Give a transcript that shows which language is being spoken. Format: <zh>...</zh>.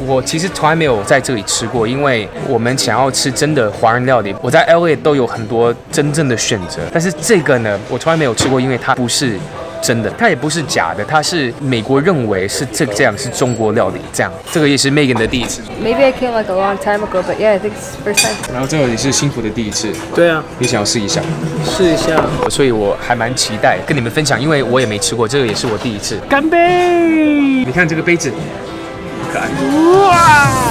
<zh>我其实从来没有在这里吃过，因为我们想要吃真的华人料理。我在 LA 都有很多真正的选择，但是这个呢，我从来没有吃过，因为它不是真的，它也不是假的，它是美国认为是这样是中国料理这样。这个也是 Megan 的第一次。</zh> <en>Maybe I came like a long time ago, but yeah, I think it's first time.</en> <zh>然后这个也是辛苦的第一次。对啊，你想要试一下？试一下。所以我还蛮期待跟你们分享，因为我也没吃过，这个也是我第一次。干杯！你看这个杯子，很可爱。哇！</zh>